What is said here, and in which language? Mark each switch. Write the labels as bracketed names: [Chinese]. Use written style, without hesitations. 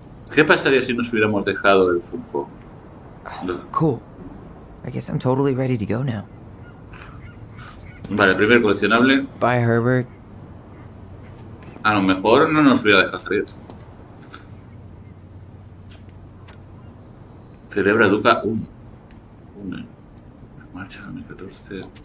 [Spanish] ¿Qué pasaría si nos hubiéramos dejado el Funko? [English] Cool. I guess I'm totally ready to go now. [Spanish] Vale, primer coleccionable. [English] Bye, Herbert. [Spanish] A lo mejor no nos hubiera dejado salir. Celebra Duca 1. Marcha 2014.